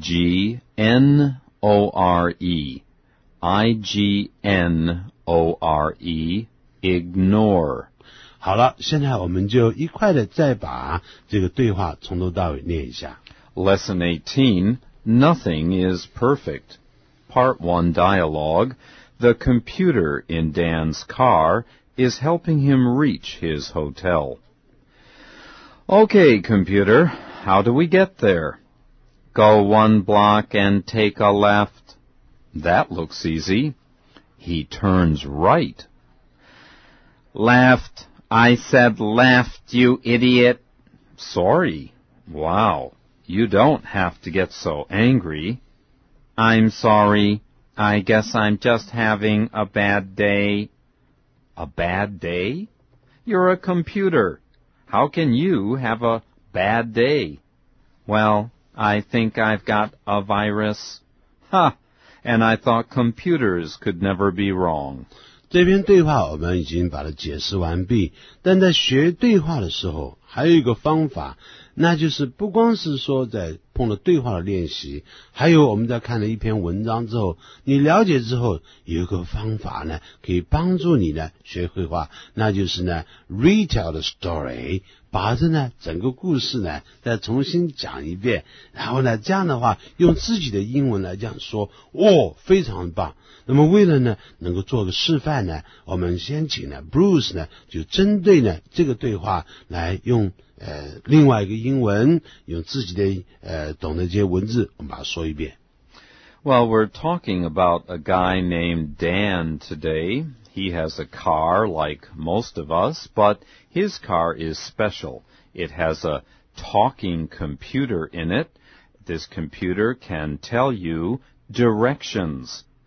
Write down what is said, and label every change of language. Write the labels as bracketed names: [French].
[English] I-G-N-O-R-E. I-G-N-O-R-E. Ignore. 好了，现在我们就一块的再把这个对话从头到尾念一下。 Lesson 18, Nothing is Perfect. Part 1 Dialogue, The computer in Dan's car is helping him reach his hotel. Okay, computer, how do we get there? Go one block and take a left. That looks easy. He turns right. Left. I said left, you idiot. Sorry. Wow. You don't have to get so angry. I'm sorry. I guess I'm just having a bad day. A bad day? You're a computer. How can you have a bad day? Well, I think I've got a virus. Ha! And I thought computers could never be wrong. [Chinese] 这篇对话我们已经把它解释完毕，但在学对话的时候还有一个方法，那就是不光是说在碰到对话的练习，还有我们在看了一篇文章之后，你了解之后有一个方法呢，可以帮助你呢学会话，那就是呢 [English] retell the story， [Chinese] 把这呢整个故事呢再重新讲一遍，然后呢这样的话用自己的英文来这样说，哦，非常棒。那么为了呢能够做个示范呢，我们先请呢 Bruce 呢就针对呢这个对话来用另外一个英文，用自己的懂得这些文字，我们把它说一遍。 [English] Well, we're talking about a guy named Dan today. He has a car like most of us, but his car is special. It has a talking computer in it. This computer can tell you directions.